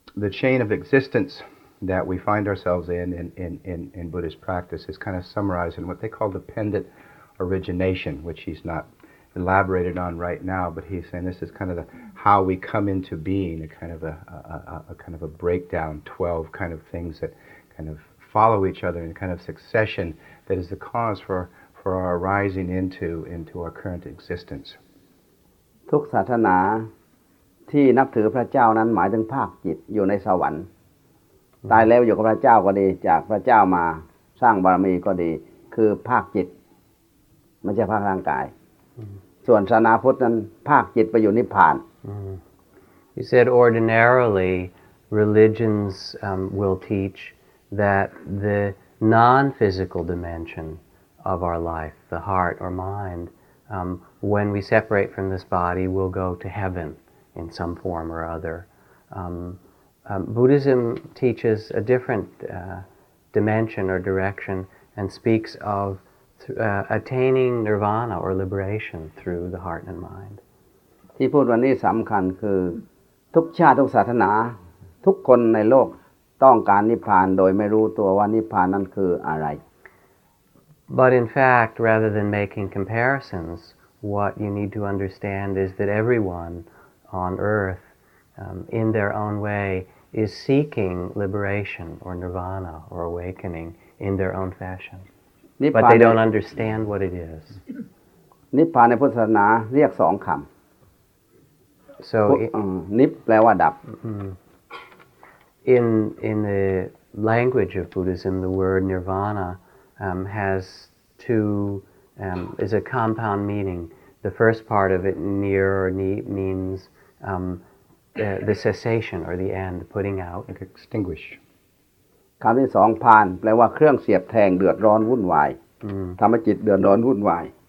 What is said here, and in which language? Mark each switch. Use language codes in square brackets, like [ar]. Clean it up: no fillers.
[en] chain of existence that we find ourselves in Buddhist practice is kind of summarized in what they call dependent origination, which he's not elaborated on right now, but he's saying this is kind of the how we come into being, a kind of a breakdown, 12 kind of things that kind of follow each other in a kind of succession that is the cause for our rising into our current existence. [th] ทุกศาสนาที่นับถือพระเจ้านั้นหมายถึงภาคจิตอยู่ในสวรรค์ตายแล้วอยู่กับพระเจ้าก็ดีจากพระเจ้ามาสร้างบารมีก็ดีคือภาคจิตไม่ใช่ภาคร่างกายส่วนศาสนาพุทธนั้นภาคจิตไปอยู่นิพพาน [en] He said ordinarily religions will teach that the non-physical dimension of our life the heart or mind When we separate from this body, we'll go to heaven in some form or other. Buddhism teaches a different dimension or direction and speaks of attaining nirvana or liberation through the heart and mind. [th] ที่พูดวันนี้สำคัญคือทุกชาติทุกศาสนาทุกคนในโลกต้องการนิพพานโดยไม่รู้ตัวว่านิพพานนั้นคืออะไร [en] But in fact, rather than making comparisons, what you need to understand is that everyone on earth, in their own way, is seeking liberation or nirvana or awakening in their own fashion. But they don't understand what it is. [th] นิพพานในพุทธศาสนาเรียกสองคำ [en] So, [th] นิพแปลว่าดับ [en] In the language of Buddhism, the word nirvana has two, is a compound meaning. The first part of it, nir or ni, means the cessation or the end, putting out. Like extinguish. [th] คำที่สองพานแปลว่าเครื่องเสียบแทงเดือดร้อนวุ่นวายทำให้จิตเดือดร้อนวุ่นวาย